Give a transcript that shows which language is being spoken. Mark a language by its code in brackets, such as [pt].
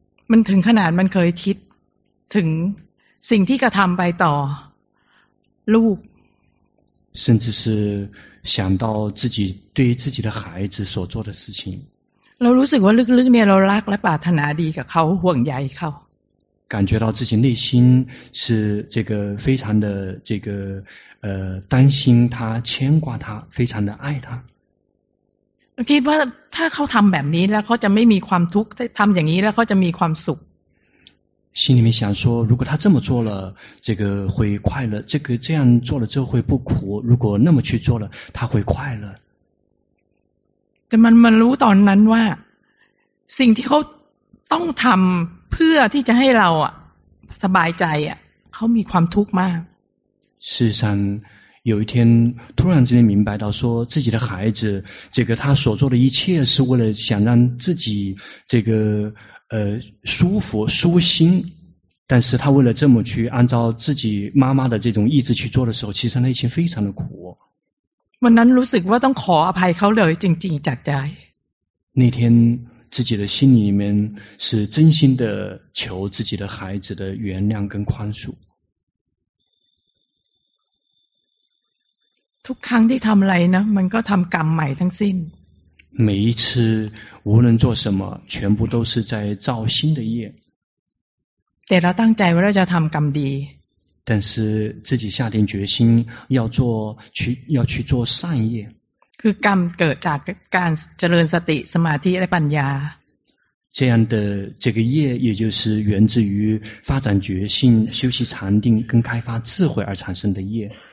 [th] มันถึงขนาดมันเคยคิดถึงสิ่งที่กระทำไปต่อลูก [zh] 甚至是想到自己对自己的孩子所做的事情 [th] เรารู้สึกว่าลึกๆเนี่ยเรารักและปรารถนาดีกับเขาห่วงใยเขา [zh] 感觉到自己内心是这个非常的这个担心他牵挂他非常的爱他 [th] คิดว่าถ้าเขาทำแบบนี้แล้วเขาจะไม่มีความทุกข์ทำอย่างนี้แล้วเขาจะมีความสุข [zh] 心里面想说如果他这么做了这个会快乐这个这样做了之后会不苦如果那么去做了他会快乐 [th] แต่มันรู้ตอนนั้นว่าสิ่งที่เขาต้องทำเพื่อที่จะให้เราสบายใจเขามีความทุกข์มาก [zh] 事实上有一天突然之间明白到说自己的孩子这个他所做的一切是为了想让自己这个舒服舒心但是他为了这么去按照自己妈妈的这种意志去做的时候其实内心非常的苦 [th] วันนั้นรู้สึกว่าต้องขออภัยเขาเลยจริงๆจากใจ [zh] 那天自己的心里面是真心的求自己的孩子的原谅跟宽恕 [th] ทุกครั้งที่ทำอะไรนะมันก็ทำกรรมใหม่ทั้งสิ้น [zh] 每一次无论做什么全部都是在造新的业 [th] แต่เราตั้งใจว่าเราจะทำกรรมดี [zh] 但是自己下定决心要做去要去做善业 [th] คือกรรมเกิดจากการเจริญสติสมาธิและปัญญา [zh] 这样的这个业也就是源自于发展觉性修习禅定跟开发智慧而产生的业